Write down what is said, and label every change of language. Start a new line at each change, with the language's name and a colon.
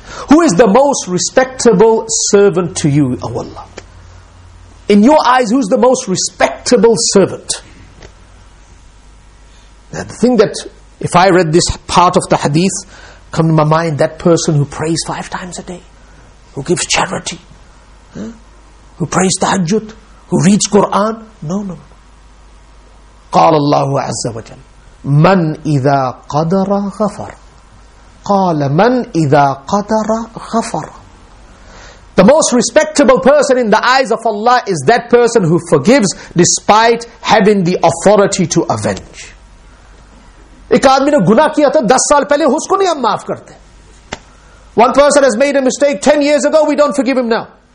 English: Who is the most respectable servant to you, O Allah? In your eyes, who is the most respectable servant? The thing that, if I read this part of the hadith, come to my mind, that person who prays five times a day, who gives charity, who prays tahajjud, who reads Quran. No.
Arabic: قال الله عز وجل من إذا قدر غفر قال من إذا قدر غفر.
English: The most respectable person in the eyes of Allah is that person who forgives despite having the authority to avenge.
Hindi: Ek aadmi ne guna kiya tha 10 saal pehle, usko nahi hum maaf karte.
English: One person has made a mistake 10 years ago, we don't forgive him now.